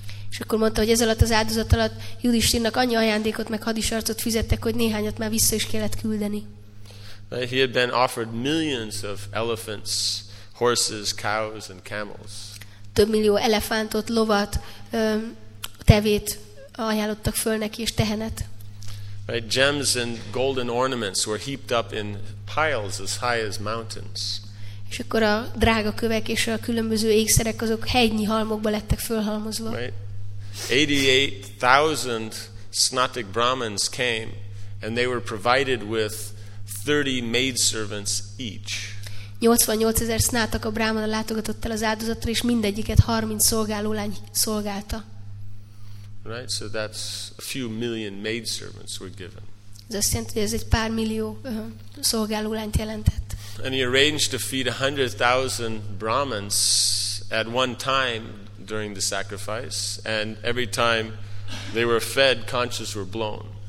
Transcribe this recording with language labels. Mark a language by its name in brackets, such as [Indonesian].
[Hungarian] És akkor mondta, hogy ez alatt az áldozat alatt Yudhishthirának annyi ajándékot meg hadisarcot fizettek, hogy néhányat már vissza is kellett küldeni. [English] But he had been offered millions of elephants, horses, cows, and camels. [Hungarian] Több millió elefántot, lovat, tevét ajánlottak föl neki, és tehenet. [English] Right, gems and golden ornaments were heaped up in piles as high as mountains. [Hungarian] És akkor a drága kövek és a különböző ékszerek azok hegynyi halmokba lettek fölhalmozva. [English] Right. 88,000 snatic brahmins came and they were provided with 30 maidservants each. [Hungarian] 88,000 snátak a brámana látogatott el az áldozatra, és mindegyiket 30 szolgálólány szolgálta. [English] Right, so that's a few million maidservants were given. [Hungarian] Ez azt jelenti, hogy ez egy pár millió szolgálólányt jelentett. [English] And he arranged to feed 100,000 brahmins at one time during the sacrifice, and every time they were fed, conscious were blown.